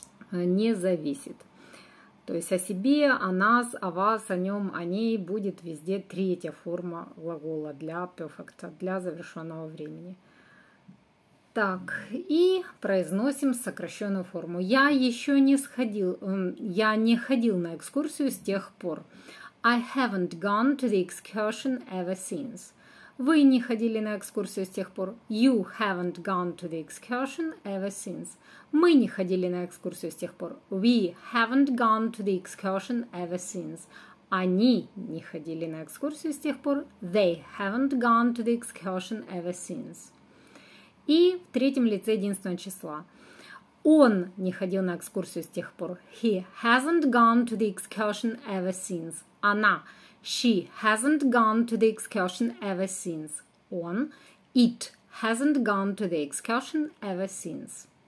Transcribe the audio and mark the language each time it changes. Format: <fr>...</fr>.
<ru>Не зависит. То есть о себе, о нас, о вас, о нем, о ней будет везде третья форма глагола для perfect, для завершенного времени. Так, и произносим сокращенную форму. Я еще не сходил, я не ходил на экскурсию с тех пор.</ru> <en>I haven't gone to the excursion ever since.</en> <ru>Вы не ходили на экскурсию с тех пор.</ru> <en>You haven't gone to the excursion ever since.</en> <ru>Мы не ходили на экскурсию с тех пор.</ru> <en>We haven't gone to the excursion ever since.</en> <ru>Они не ходили на экскурсию с тех пор.</ru> <en>They haven't gone to the excursion ever since.</en> <ru>И в третьем лице единственного числа. Он не ходил на экскурсию с тех пор.</ru> <en>He hasn't gone to the excursion ever since.</en> <ru>Она.</ru> <en>She hasn't gone to the excursion ever since.</en> <ru>Он.</ru> <en>It hasn't gone to the excursion ever since.</en>